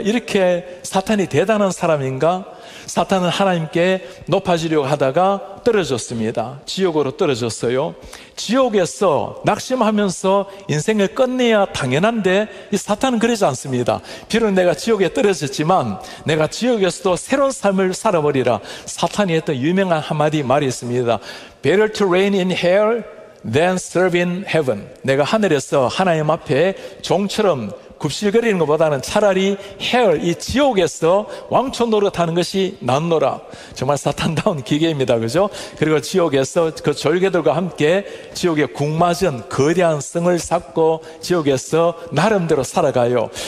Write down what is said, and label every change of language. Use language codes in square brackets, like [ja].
[ko] 이렇게 사탄이 대단한 사람인가? 사탄은 하나님께 높아지려고 하다가 떨어졌습니다. 지옥으로 떨어졌어요. 지옥에서 낙심하면서 인생을 끝내야 당연한데 이 사탄은 그러지 않습니다. 비록 내가 지옥에 떨어졌지만 내가 지옥에서도 새로운 삶을 살아버리라. 사탄이 했던 유명한 한마디 말이 있습니다. [en] Better to reign in hell than serve in heaven. [ko] 내가 하늘에서 하나님 앞에 종처럼 굽실거리는 것보다는 차라리 헬, 이 지옥에서 왕촌 노릇하는 것이 낫노라. 정말 사탄다운 기계입니다. 그죠? 그리고 지옥에서 그 졸개들과 함께 지옥의 궁마전 거대한 성을 쌓고 지옥에서 나름대로 살아가요.